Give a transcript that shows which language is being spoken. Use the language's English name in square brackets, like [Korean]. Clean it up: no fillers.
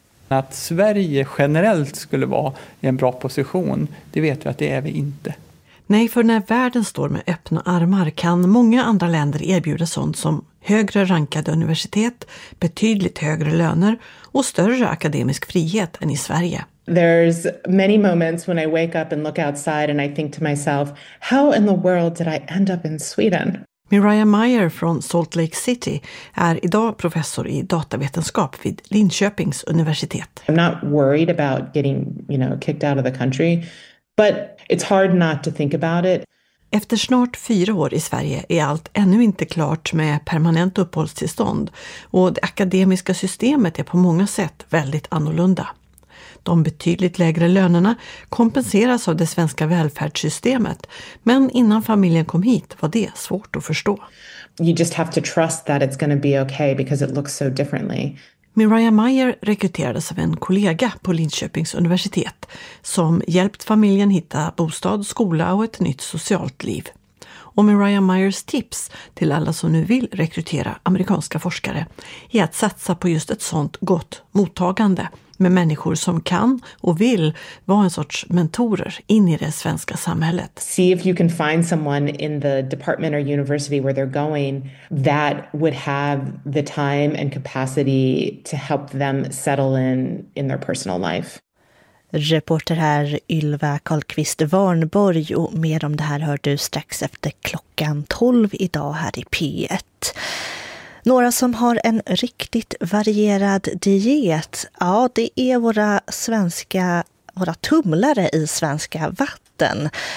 [Swedish] Att Sverige generellt skulle vara i en bra position, det vet vi att det är vi inte. Nej, för när världen står med öppna armar kan många andra länder erbjuda sånt som högre rankade universitet, betydligt högre löner och större akademisk frihet än i Sverige. [English] There's many moments when I wake up and look outside and I think to myself, how in the world did I end up in Sweden? [Swedish] Mariah Meyer från Salt Lake City är idag professor i datavetenskap vid Linköpings universitet. [English] I'm not worried about getting, you know, kicked out of the country, but it's hard not to think about it. [Swedish] Efter snart 4 år i Sverige är allt ännu inte klart med permanent uppehållstillstånd och det akademiska systemet är på många sätt väldigt annorlunda. De betydligt lägre lönerna kompenseras av det svenska välfärdssystemet, men innan familjen kom hit var det svårt att förstå. [English] You just have to trust that it's going to be okay because it looks so differently. [Swedish] Mariah Meyer rekryterades av en kollega på Linköpings universitet som hjälpt familjen hitta bostad, skola och ett nytt socialt liv. Och Mariah Meyers tips till alla som nu vill rekrytera amerikanska forskare är att satsa på just ett sånt gott mottagande. Med människor som kan och vill vara en sorts mentorer in i det svenska samhället. [English] See if you can find someone in the department or university where they're going that would have the time and capacity to help them settle in their personal life. [Swedish] Reporter här Ylva Karlqvist Warnborg, och mer om det här hör du strax efter klockan 12 idag här i P1. Några som har en riktigt varierad diet, ja, det är våra tumlare i svenska vatten.